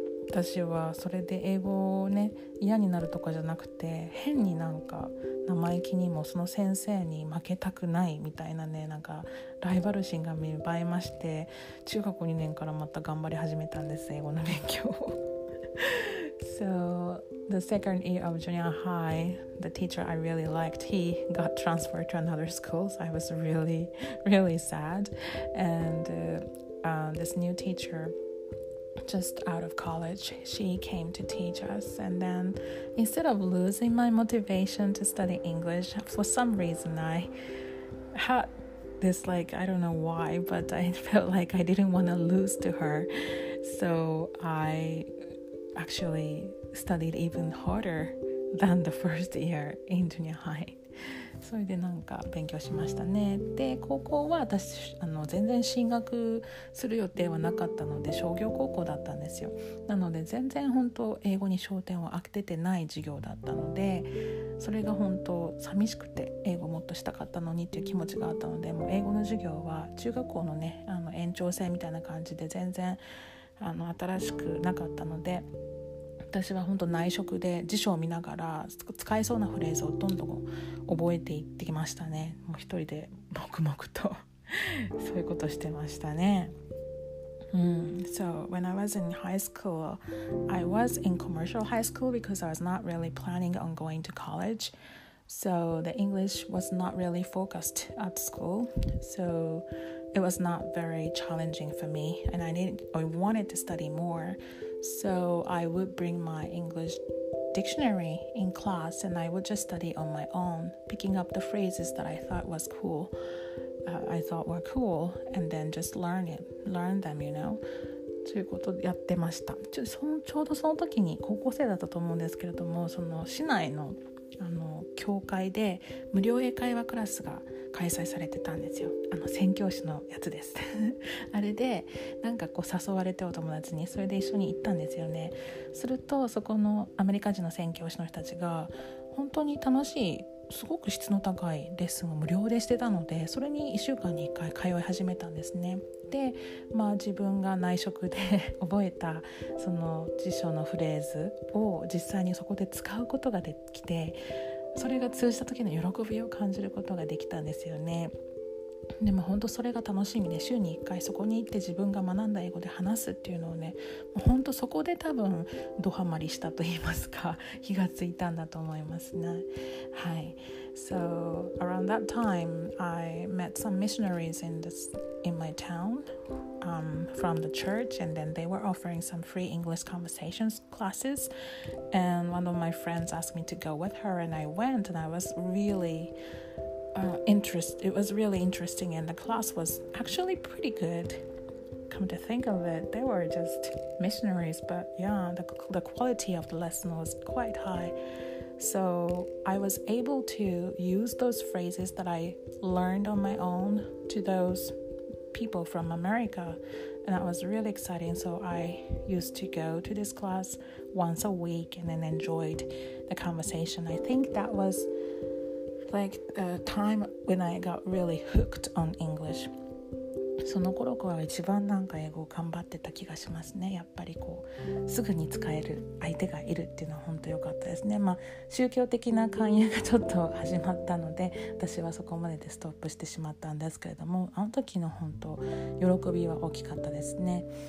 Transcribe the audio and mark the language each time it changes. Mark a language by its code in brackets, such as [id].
[ja] 私はそれで英語をね嫌になるとかじゃなくて、変になんか生意気にもその先生に負けたくないみたいなね、なんかライバル心が芽生えまして、中学2年からまた頑張り始めたんです、英語の勉強を [en] So the second year of junior high, the teacher I really liked, he got transferred to another school, so I was really, really sad. And this new teacher, just out of college, she came to teach us. And then instead of losing my motivation to study English, for some reason I had this, like, I don't know why, but I felt like I didn't want to lose to her. So I... actually studied even harder than the first year in junior high. [ja] それでなんか勉強しましたね。で高校は私全然進学する予定はなかったので、商業高校だったんですよ。なので全然本当英語に焦点を当ててない授業だったので、それが本当寂しくて、英語もっとしたかったのにっていう気持ちがあったので、もう英語の授業は中学校のね延長線みたいな感じで全然新しくなかったので、私は本当内職で辞書を見ながら使えそうなフレーズをどんどん覚えていってきましたね。もう一人で黙々とそういうことしてましたね。 [en] So when I was in high school, I was in commercial high school because I was not really planning on going to college. So the English was not really focused at school. SoIt was not very challenging for me, and I wanted to study more. So I would bring my English dictionary in class, and I would just study on my own, picking up the phrases that I thought were cool, and then just learn them, you know. [ja] ということやってました。ちょうどその時に高校生だったと思うんですけれども、その市内の教会で無料英会話クラスが開催されてたんですよ。宣教師のやつですあれでなんかこう誘われて、お友達に、それで一緒に行ったんですよね。するとそこのアメリカ人の宣教師の人たちが本当に楽しい、すごく質の高いレッスンを無料でしてたので、それに1週間に1回通い始めたんですね。で、まあ、自分が内職で覚えたその辞書のフレーズを実際にそこで使うことができて、それが通じた時の喜びを感じることができたんですよね。でも本当それが楽しみで、週に1回そこに行って自分が学んだ英語で話すっていうのをね、もう本当そこで多分ドハマりしたと言いますか、火がついたんだと思いますね。はい。 [en] So around that time, I met some missionaries in my town, from the church, and then they were offering some free English conversations classes. And one of my friends asked me to go with her, and I went, and I was really interesting, and the class was actually pretty good. Come to think of it, they were just missionaries, but yeah, the quality of the lesson was quite high. So I was able to use those phrases that I learned on my own to those people from America, and that was really exciting. So I used to go to this class once a week and then enjoyed the conversation. I think that wasLike a time when I got really hooked on English. [ja] その頃から一番なんか英語を頑張ってた気がしますね。やっぱりこうすぐに使える相手がいるっていうのは本当良かったですね。まあ宗教的な勧誘がちょっと始まったので、私はそこまででストップしてしまったんですけれども、あの時の本当喜びは大きかったですね。